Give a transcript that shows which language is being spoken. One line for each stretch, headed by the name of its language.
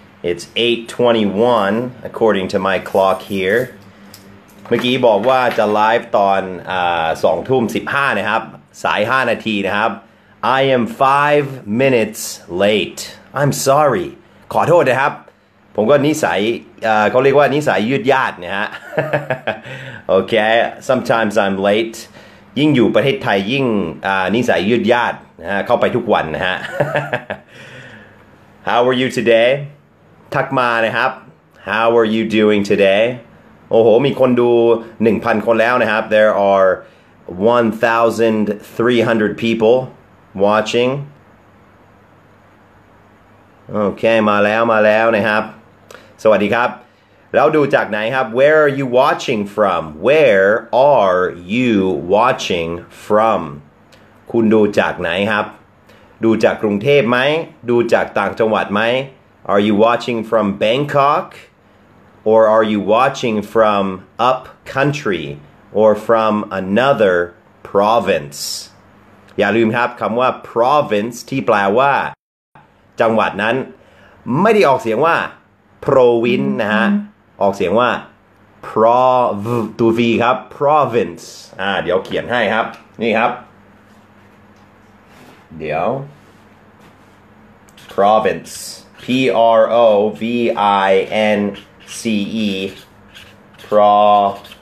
English: It's 8:21, according to my clock here.
Thai: เมื่อกี้บอกว่าจะไลฟ์ตอน2:15นะครับสาย5นาทีนะครับ
English: I am 5 minutes late. I'm sorry.
Thai: ขอโทษนะครับผมก็นิสัยเขาเรียกว่านิสัยยืดยาดนะฮะ
English: Okay, sometimes I'm late.
Thai: ยิ่งอยู่ประเทศไทยยิ่งนิสัยยืดยาดนะฮะเข้าไปทุกวันนะฮะ
English: How are you today?
Thai: ทักมานะครับ
English: How are you doing today?
Thai: โอ้โหมีคนดู 1,000 คนแล้วนะครับ
English: There are 1,300 people watching
Thai: โอเคมาแล้วนะครับสวัสดีครับแล้วดูจากไหนครับ
English: Where are you watching from? Where are you watching from?
Thai: คุณดูจากไหนครับดูจากกรุงเทพไหมดูจากต่างจังหวัดไหม
English: Are you watching from Bangkok? Or are you watching from up country? Or from another province?
Thai: อย่าลืมครับคำว่า province ที่แปลว่าจังหวัดนั้นไม่ได้ออกเสียงว่า province นะฮะออกเสียงว่า prov to v ครับ province เดี๋ยวเขียนให้ครับนี่ครับเดี๋ยว province p r o v i n c e province